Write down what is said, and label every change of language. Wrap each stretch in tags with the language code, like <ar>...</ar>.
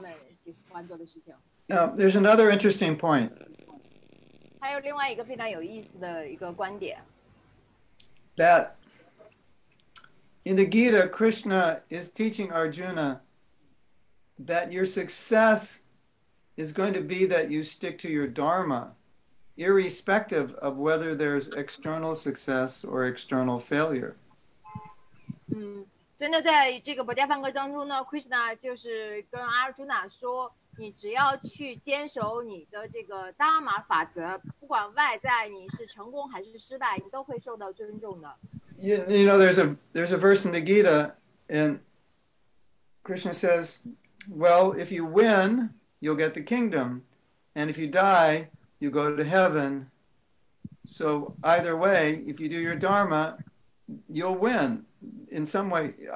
<zh>现在的人们就是害怕这个追随权威,害怕这个伊斯兰的这个权威,然后呢人们更害怕呢,他们就是害怕去没有这种自由,去做他们喜欢做的事情,去做他们就是想要创新的去做他们喜欢做的事情。</zh> <en>Now, there's another interesting point.</en> <zh>还有另外一个非常有意思的一个观点。</zh> <en>That in the Gita, Krishna is teaching Arjuna that your success is going to be that you stick to your dharma, irrespective of whether there's external success or external failure.</en> <zh>真的在这个佛家梵歌当中呢, Krishna就是跟阿尔朱娜说, 你只要去坚守你的这个达玛法则, 不管外在你是成功还是失败, 你都会受到尊重的。</zh> <en>you know, there's a verse in the Gita, and Krishna says, well, if you win, you'll get the kingdom. And if you die, you go to heaven. So either way, if you do your dharma, you'll win in some way.</en>